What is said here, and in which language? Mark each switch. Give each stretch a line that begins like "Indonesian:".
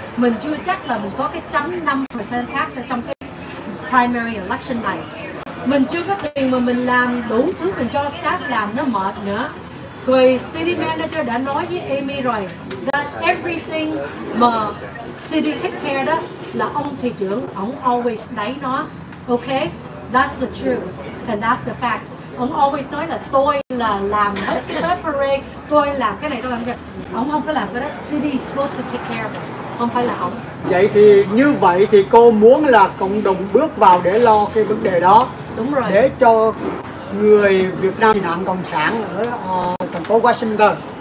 Vietnamese: Mình chưa chắc là mình có cái chấm 5% tax trong cái primary election này. Mình chưa có tiền mà mình làm đủ thứ, mình cho staff làm nó mệt nữa. Rồi city manager đã nói với Amy rồi
English: that everything
Vietnamese: mà
English: city take care
Vietnamese: đó là ông thị trưởng, ông always đẩy nó.
English: Okay, that's the truth and that's the fact.
Vietnamese: Ông always nói là tôi là làm hết cái Tết Parade, tôi làm cái này, tôi làm cái này. Ông không có làm cái đó,
English: city is supposed to take care of it.
Vietnamese: Không phải là ông. Vậy thì như vậy thì cô muốn là cộng đồng bước vào để lo cái vấn đề đó. Đúng rồi. Để cho người Việt Nam nạn cộng sản ở thành phố Washington.